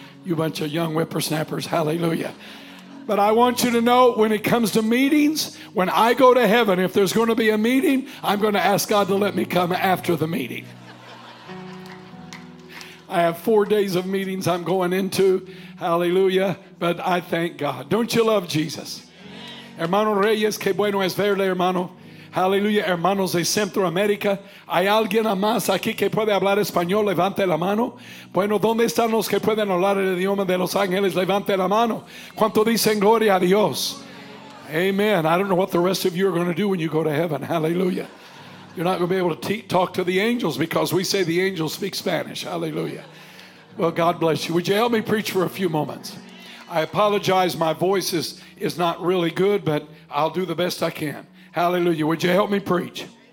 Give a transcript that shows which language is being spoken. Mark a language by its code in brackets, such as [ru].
[en] You bunch of young whippersnappers. Hallelujah. But I want you to know, when it comes to meetings, when I go to heaven, if there's going to be a meeting, I'm going to ask God to let me come after the meeting. I have 4 days of meetings I'm going into. Hallelujah. But I thank God. Don't you love Jesus? Amen. [es] Hermano Reyes, que bueno es verle, hermano. Hallelujah. Hermanos de Centroamérica. ¿Hay alguien más aquí que puede hablar español? Levante la mano. Bueno, ¿dónde están los que pueden hablar el idioma de Los Ángeles? Levante la mano. ¿Cuánto dicen gloria a Dios? [en] Amen. I don't know what the rest of you are going to do when you go to heaven. Hallelujah. You're not going to be able to talk to the angels because we say the angels speak Spanish. Hallelujah. Well, God bless you. Would you help me preach for a few moments? I apologize. My voice is not really good, but I'll do the best I can. Hallelujah. Would you help me preach?